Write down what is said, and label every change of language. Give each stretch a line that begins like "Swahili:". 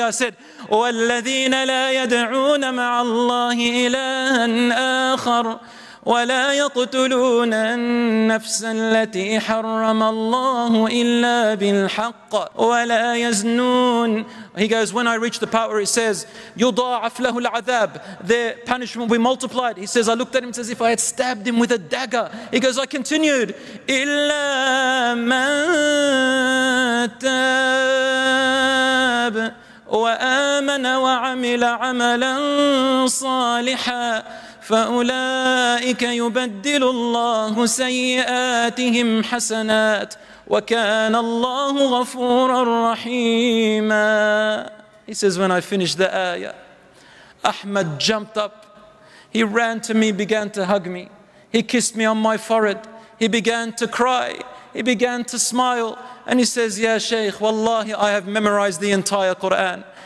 English: I said,
Arabic: وَالَّذِينَ لَا يَدْعُونَ مَعَ الله إلها آخر ولا يقتلون النفس التي حرم الله إلا بالحق ولا يزنون.
English: He goes, when I reached the part where it says,
Arabic: يضاعف له العذاب,
English: their punishment will be multiplied. He says, I looked at him, says, if I had stabbed him with a dagger. He goes, I continued,
Arabic: إلا من تاب وآمن وعمل عملا صالحا فأولئك يبدل الله سيئاتهم حسنات وكان الله غفورا رحيما.
English: He says, when I finished the ayah, Ahmed jumped up, he ran to me, began to hug me, he kissed me on my forehead, he began to cry, he began to smile, and he says, Ya Shaykh, Wallahi, I have memorized the entire Quran.